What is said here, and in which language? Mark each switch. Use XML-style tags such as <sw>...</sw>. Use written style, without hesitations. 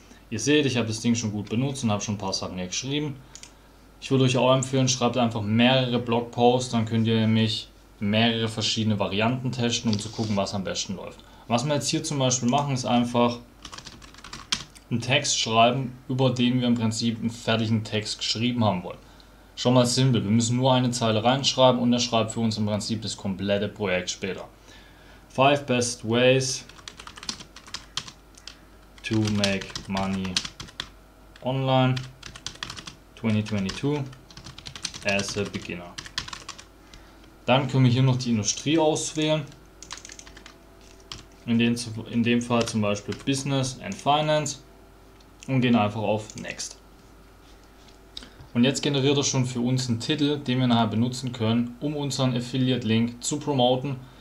<de>Ihr seht, ich habe das Ding schon gut benutzt und habe schon ein paar Sachen hier geschrieben. Ich würde euch auch empfehlen, schreibt einfach mehrere Blogposts, dann könnt ihr nämlich mehrere verschiedene Varianten testen, um zu gucken, was am besten läuft. Was wir jetzt hier zum Beispiel machen, ist einfach einen Text schreiben, über den wir im Prinzip einen fertigen Text geschrieben haben wollen. Schon mal simpel, wir müssen nur eine Zeile reinschreiben und er schreibt für uns im Prinzip das komplette Projekt später.</de> <en>5 best ways to make money online 2022 as a beginner.</en> <de>Dann können wir hier noch die Industrie auswählen. In dem Fall zum Beispiel Business and Finance und gehen einfach auf Next. Und jetzt generiert er schon für uns einen Titel, den wir nachher benutzen können, um unseren Affiliate-Link zu promoten.</de>